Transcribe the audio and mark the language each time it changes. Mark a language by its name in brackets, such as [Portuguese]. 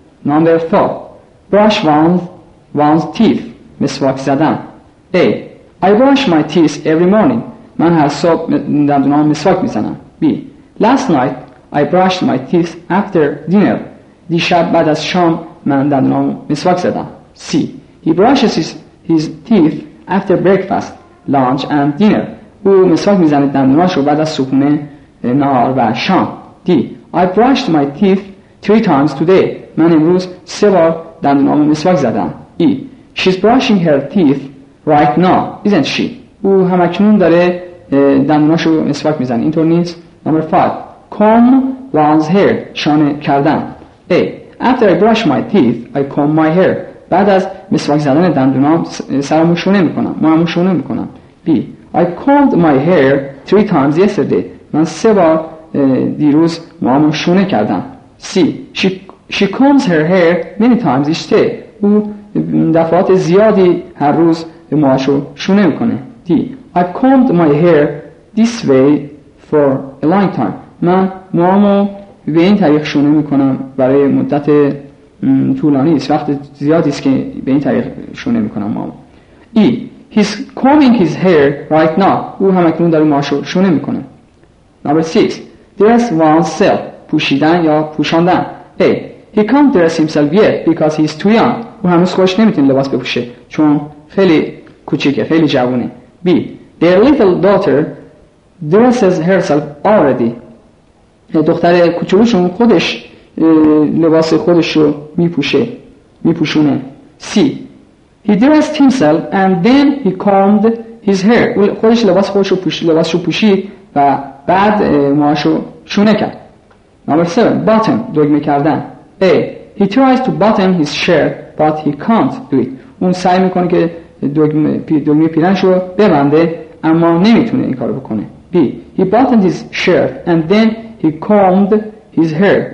[English] Number 4. Brush one's teeth. [Persian] مسواک زدن. [English] A. I brush my teeth every morning. [Persian] من هر صبح دندونام مسواک میزنم. [English] B. Last night I brushed my teeth after dinner. [Persian] دیشب بعد از شام من دندونام مسواک زدم. C. [English] He brushes his teeth after breakfast, lunch and dinner. [Persian] او مسواک میزنه دندوناش رو بعد از صبحونه نهار و شام. [English] D. I brushed my teeth 3 times today. [Persian] من امروز 3 بار دندونام مسواک زدم. [English] E. She's brushing her teeth right now, isn't she? [Persian] او همکنون داره دندوناش رو مسواک میزنه. اینطور نیست؟ [English] Number 5. Comb one's hair. [Persian] شانه کردن. [English] A. After I brush my teeth, I comb my hair. [Persian] بعد از مسواک زدن دندونام سرمو شونه میکنم. مو شونه میکنم. [English] B. I combed my hair 3 times yesterday. [Persian] من 3 بار دیروز موامو شونه کردم. [English] C. She combs her hair many times each day. [Persian] او دفعات زیادی هر روز موهاشو شونه میکنه. D. [English] I combed my hair this way for a long time. [Persian] من موامو به این طریق شونه میکنم برای مدت طولانی است. وقت زیادی است که به این طریق شونه میکنم موامو. [English] E. He's combing his hair right now. [Persian] او همکنون داره موهاشو شونه میکنه. [English] Number 6. Dress oneself. [Persian] پوشیدن یا پوشاندن. [English] A. He can't dress himself yet because he's too young. [Persian] او هنوز خوش نمیتونه لباس بپوشه چون خیلی کوچیکه، خیلی جوونه. [English] B. Their little daughter dresses herself already. [Persian] دختر کوچولوشون خودش لباس خودش رو میپوشونه. C. [English] He dressed himself and then he combed his hair. [Persian] خودش لباس خودش رو پوشید، لباس رو پوشید و بعد موهاشو شونه کرد. [English] Number 7. Button. [Persian] دوگمه کردن. [English] A. He tries to button his shirt but he can't do it. [Persian] اون سعی میکنه که دوگمه پیرنش رو ببنده اما نمیتونه این کارو بکنه. B. [English] He buttoned his shirt and then he combed his hair.